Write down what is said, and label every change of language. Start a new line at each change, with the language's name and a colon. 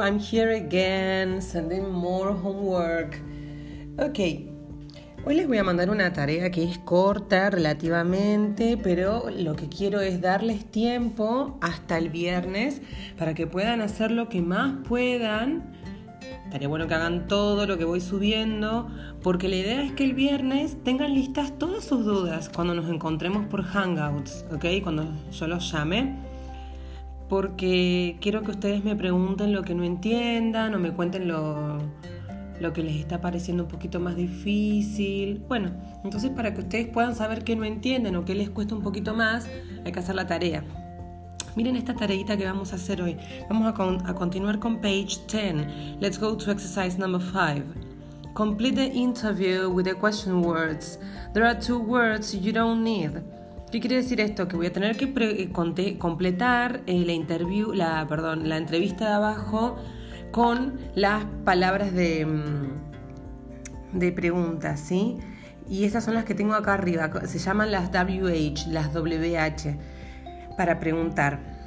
English: I'm here again, sending more homework.
Spanish: Okay, hoy les voy a mandar una tarea que es corta relativamente, pero lo que quiero es darles tiempo hasta el viernes para que puedan hacer lo que más puedan. Estaría bueno que hagan todo lo que voy subiendo, porque la idea es que el viernes tengan listas todas sus dudas cuando nos encontremos por Hangouts, ¿ok? Cuando yo los llame. Porque quiero que ustedes me pregunten lo que no entiendan o me cuenten lo que les está pareciendo un poquito más difícil. Bueno, entonces para que ustedes puedan saber qué no entienden o qué les cuesta un poquito más, hay que hacer la tarea. Miren esta tareita que vamos a hacer hoy. Vamos a continuar con page 10.
English: Let's go to exercise number 5. Complete the interview with the question words. There are two words you don't need.
Spanish: ¿Qué quiere decir esto? Que voy a tener que completar la entrevista de abajo con las palabras de preguntas, ¿sí? Y estas son las que tengo acá arriba. Se llaman las WH, las WH, para preguntar.